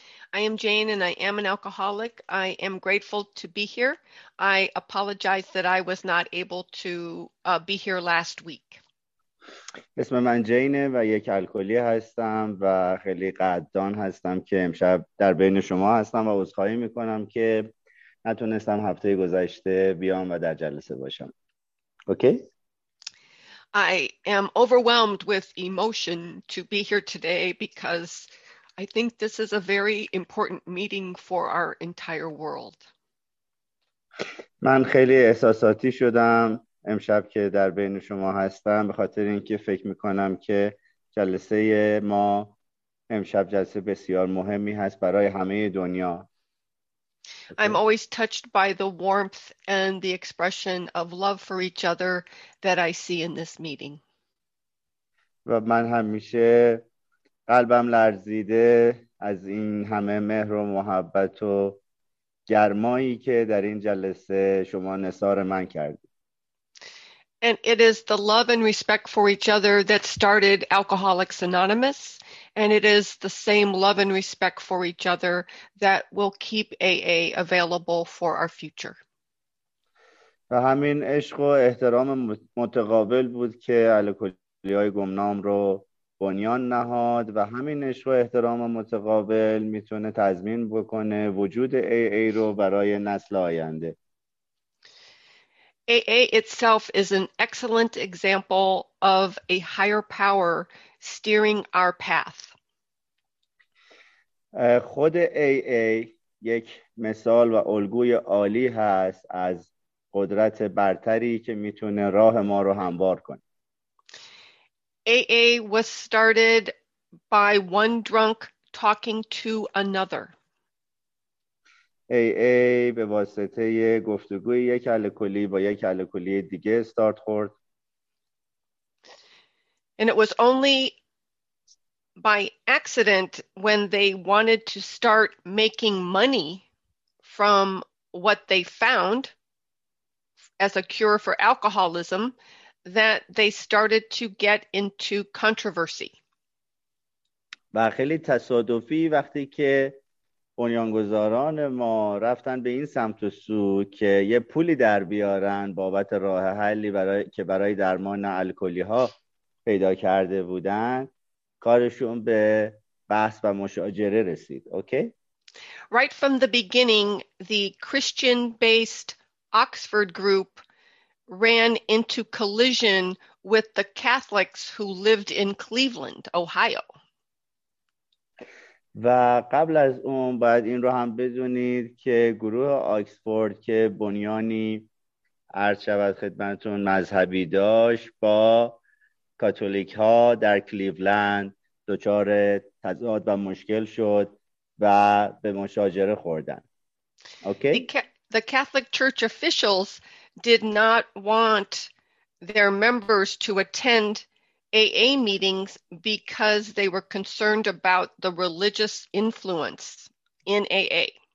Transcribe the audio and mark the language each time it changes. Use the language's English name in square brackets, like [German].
[English] I am Jane and I am an alcoholic. I am grateful to be here. I apologize that I was not able to be here last week. [Persian] اسم من جینه و یک الکلی هستم و خیلی قدردان هستم که امشب در بین شما هستم و عذرخواهی میکنم که نتونستم هفته گذشته بیام و در جلسه باشم. [English] Okay. I am overwhelmed with emotion to be here today because I think this is a very important meeting for our entire world. [Persian] من خیلی احساساتی شدم امشب که در بین شما هستم به خاطر اینکه فکر می‌کنم که جلسه ما امشب جلسه بسیار مهمی هست برای همه دنیا. [English] I'm always touched by the warmth and the expression of love for each other that I see in this meeting. [Persian] و من همیشه قلبم لرزیده از این همه مهر و محبت و گرمایی که در این جلسه شما نثار من کردید. [English] And it is the love and respect for each other that started Alcoholics Anonymous. And it is the same love and respect for each other that will keep AA available for our future. [Persian] و همین عشق و احترام متقابل بود که الکلی‌های گمنام رو بنیان نهاد و همین عشق و احترام متقابل میتونه تضمین بکنه وجود AA رو برای نسل آینده. [English] AA itself is an excellent example of a higher power steering our path. [Persian] خود AA یک مثال و الگوی عالی هست از قدرت برتری که میتونه راه ما رو هموار کنه. [English] AA was started by one drunk talking to another. [Persian] AA به واسطه گفتگوی یک الکلی با یک الکلی دیگه استارت خورد. [English] And it was only by accident when they wanted to start making money from what they found as a cure for alcoholism that they started to get into controversy. [Persian] و خیلی تصادفی وقتی که بنیانگذاران ما رفتن به این سمت و سو که یه پولی در بیارن بابت راه حلی برای که برای درمان الکلی ها پیدا کرده بودن، کارشون به بحث و مشاجره رسید. [English] Okay? Right from the beginning, the Christian-based Oxford group ran into collision with the Catholics who lived in Cleveland, Ohio. [Persian] و قبل از اون باید این رو هم بدونید که گروه آکسفورد که بنیانی عرض شود خدمتون مذهبی داشت با کاتولیک ها در کلیولند دچار تضاد و مشکل شد و به مشاجره خوردن. [English] Okay? The Catholic Church officials did not want their members to attend AA meetings because they were concerned about the religious influence in AA.